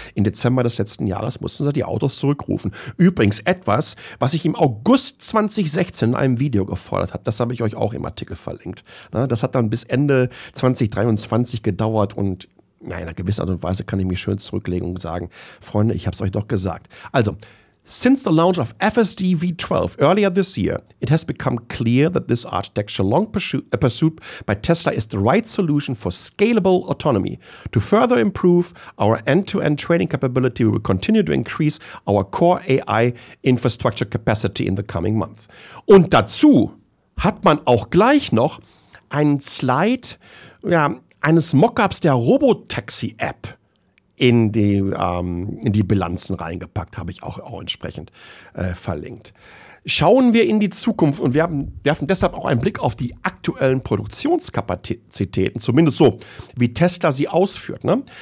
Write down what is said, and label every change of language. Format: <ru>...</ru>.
<de>Im Dezember des letzten Jahres mussten sie die Autos zurückrufen. Übrigens etwas, was ich im August 2016 in einem Video gefordert habe, das habe ich euch auch im Artikel verlinkt. Na, das hat dann bis Ende 2023 gedauert und in einer gewissen Art und Weise kann ich mich schön zurücklegen und sagen, Freunde, ich habe es euch doch gesagt. Also,</de> <en>Since the launch of FSD V12 earlier this year, it has become clear that this architecture long pursued by Tesla is the right solution for scalable autonomy. To further improve our end-to-end training capability, we will continue to increase our core AI infrastructure capacity in the coming months.</en> <de>Und dazu hat man auch gleich noch einen Slide eines Mockups der Robotaxi-App in die Bilanzen reingepackt, habe ich auch entsprechend verlinkt. Schauen wir in die Zukunft und werfen deshalb auch einen Blick auf die aktuellen Produktionskapazitäten, zumindest so, wie Tesla sie ausführt, ne?</de>